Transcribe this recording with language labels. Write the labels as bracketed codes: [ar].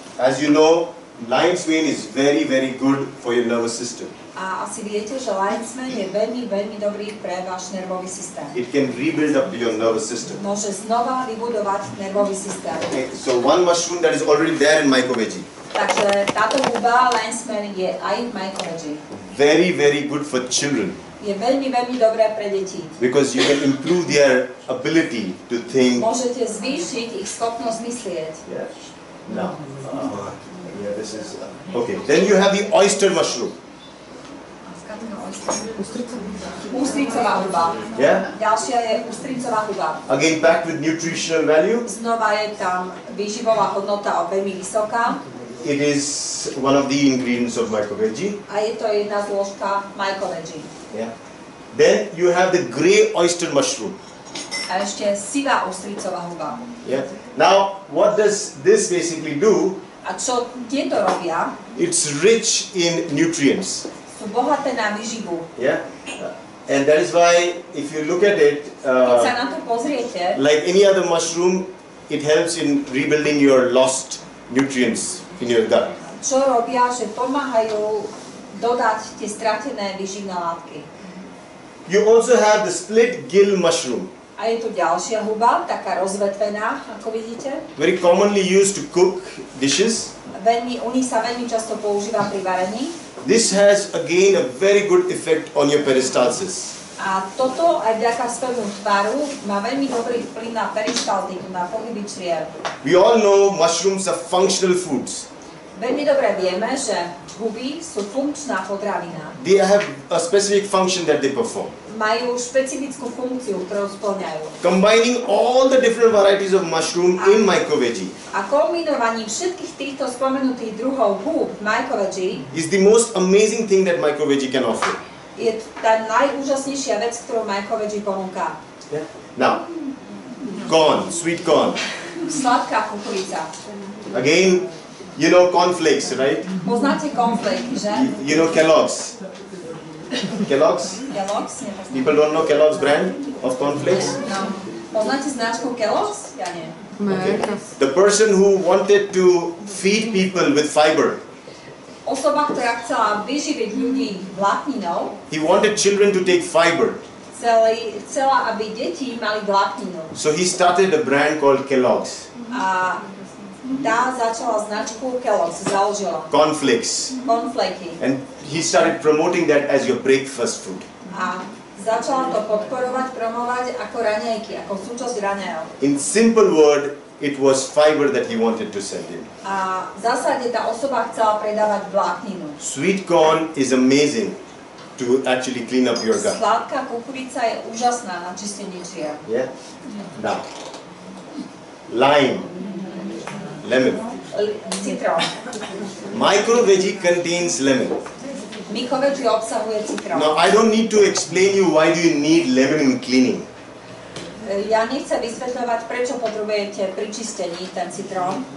[en] As you know, lion's mane is very, very good for your nervous system. [sk] A asi viete, že lion's mane je veľmi, veľmi dobrý pre váš nervový systém. [en] It can rebuild up your nervous system. [sk] Môže znova vybudovať nervový systém. [en] Okay, so one mushroom that is already there in MycoVeggie. [sk] Takže táto huba lion's mane je aj v MycoVeggie. [en] Very, very good for children. [sk] je veľmi, veľmi dobré pre deti. [en] Because you can improve their ability to think. [sk] Môžete zvýšiť ich schopnosť myslieť. [en] Yes. No. Yeah, this is okay. Then you have the oyster mushroom. [sk] Ústricová huba. [en] Yeah? [sk] Ďalšia je ústricová huba. [en] Again back with nutritional value. [sk] Znova je tam výživová hodnota veľmi vysoká. [en] It is one of the ingredients of MycoVeggie. [sk] A je to jedna zložka MycoVeggie. [en] Yeah. Then you have the grey oyster mushroom. [sk] A ešte sivá ústricová huba. [en] Yeah. Now, what does this basically do? [sk] A čo tieto robia? [en] It's rich in nutrients. [sk] Sú bohaté na výživu. [en] Yeah. And that is why, if you look at it, [sk] keď sa na to pozriete, [en] like any other mushroom, it helps in rebuilding your lost nutrients in your gut. [sk] Čo robia, že pomáhajú dodať tie stratené výživné látky. [en] You also have the split gill mushroom. [sk] A je tu ďalšia huba, taká rozvetvená, ako vidíte. [en] Very commonly used to cook dishes. [sk] Veľmi často používa pri varení. [en] This has again a very good effect on your peristalsis. [sk] A toto aj vďaka svojmu tvaru má veľmi dobrý vplyv na peristaltiku, na pohyby čriev. [en] We all know mushrooms are functional foods. [sk] Veľmi dobre vieme, že huby sú funkčná potravina. [en] They have a specific function that they perform. [sk] Majú špecifickú funkciu, ktorú spĺňajú. [en] Combining all the different varieties of mushroom in MycoVeggie. [sk] A kombinovaním všetkých týchto spomenutých druhov húb v MycoVeggie [en] is the most amazing thing that MycoVeggie can offer. [sk] Je tá najúžasnejšia vec, ktorú MycoVeggie ponúka. [en] Yeah. Now, corn, sweet corn. [sk] Sladká kukurica. [en] Again, you know cornflakes, right? [sk] Poznáte cornflakes, že? [en] You know Kellogg's. Kellogg's? [sk] Kellogg's, nie. [en] People don't know Kellogg's brand of cornflakes? [sk] No. Poznáte značku Kellogg's? Ja nie. [en] Okay. The person who wanted to feed people with fiber. [sk] Osoba, ktorá chcela vyživiť ľudí vlákninou. [en] He wanted children to take fiber. [sk] Chcela, aby deti mali vlákninu. [en] So he started a brand called Kellogg's. [sk] Tá začala značku Kellogg's, založila. [en] Cornflakes. [sk] Cornflaky. [en] And he started promoting that as your breakfast food. [sk] A začala to podporovať, promovať ako raňajky, ako súčasť raňajok. [en] In simple word, it was fiber that he wanted to send in. [sk] A v zásade tá osoba chcela predávať vlákninu. [en] Sweet corn is amazing to actually clean up your gut. [sk] Sladká kukurica je úžasná na čistenie čriev. [en] Yeah? Now, lime. Lemon. [sk] Citrón. [en] MycoVeggie contains lemon. [sk] MycoVeggie obsahuje citrón. [en] Now, I don't need to explain you why do you need lemon in cleaning. [sk] Ja nechcem vysvetľovať, prečo potrebujete pri čistení ten citrón.